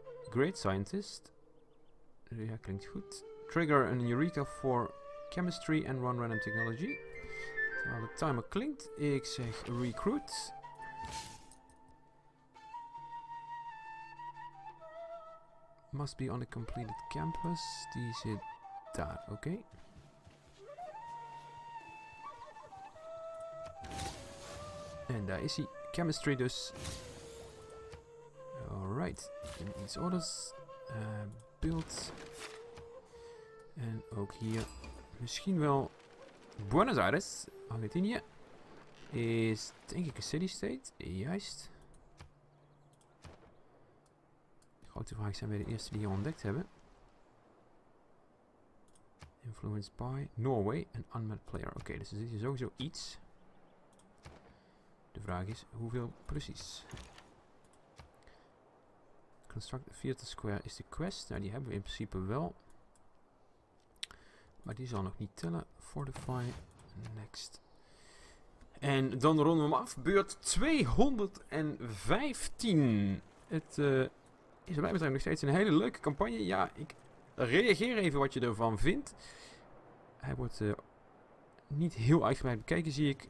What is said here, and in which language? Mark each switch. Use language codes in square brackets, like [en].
[en] Great scientist. [nl] Ja, klinkt goed. [en] Trigger an Eureka for chemistry and run random technology. [nl] Terwijl de timer klinkt, ik zeg recruit. [en] Must be on a completed campus. [nl] Die zit daar, oké. Okay. En daar is hij. Chemistry dus. [en] Alright. In these orders. Build. [nl] En ook hier misschien wel Buenos Aires. Argentinië. Is denk ik een city state. Juist. De grote vraag zijn wij de eerste die hier ontdekt hebben. [en] Influenced by Norway. An unmet player. [nl] Oké, okay, dus er zit hier sowieso iets. De vraag is hoeveel precies. Construct Theater Square is de quest. Nou, die hebben we in principe wel. Maar die zal nog niet tellen. Fortify. Next. En dan ronden we hem af. Beurt 215. Het is bij mij nog steeds een hele leuke campagne. Ja, ik reageer even wat je ervan vindt. Hij wordt niet heel uitgebreid bekeken, zie ik.